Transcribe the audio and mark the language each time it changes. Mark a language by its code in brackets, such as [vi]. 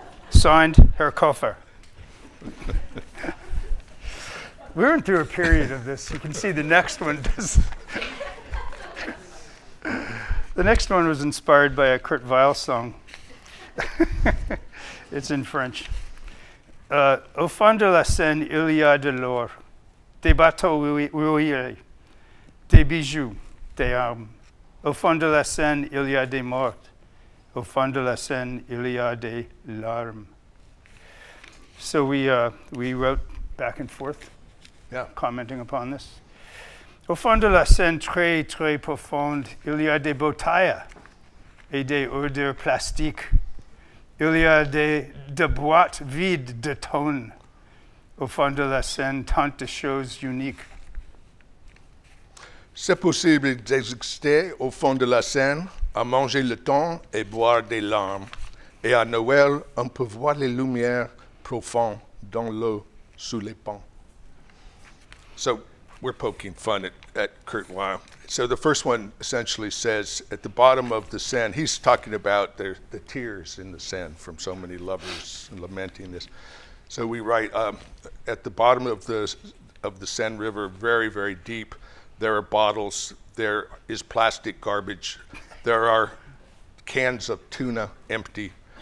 [en] Signed, Herr Koffer. We're in through a period of this. You can see the next one. Does. The next one was inspired by a Kurt Weill song. It's in French. [fr] Au fond de la Seine, il y a de l'or, des bateaux rouillés, des bijoux, des armes. Au fond de la Seine, il y a des morts. Au fond de la Seine, il y a des larmes. [en] So we wrote back and forth, commenting upon this. [fr] Au fond de la Seine très, très profonde, il y a des bouteilles et des odeurs plastiques. Il y a des boîtes vides de tonne. Au fond de la Seine, tant de choses uniques. C'est possible d'exister au fond de la Seine, à manger le thon et boire des larmes. Et à Noël, on peut voir les lumières profond dans l'eau sous les ponts. [en] So we're poking fun at Kurt Weill. So the first one essentially says at the bottom of the Seine, he's talking about the tears in the Seine from so many lovers lamenting this. So we write, at the bottom of the Seine River, very, very deep, there are bottles, there is plastic garbage, there are cans of tuna empty.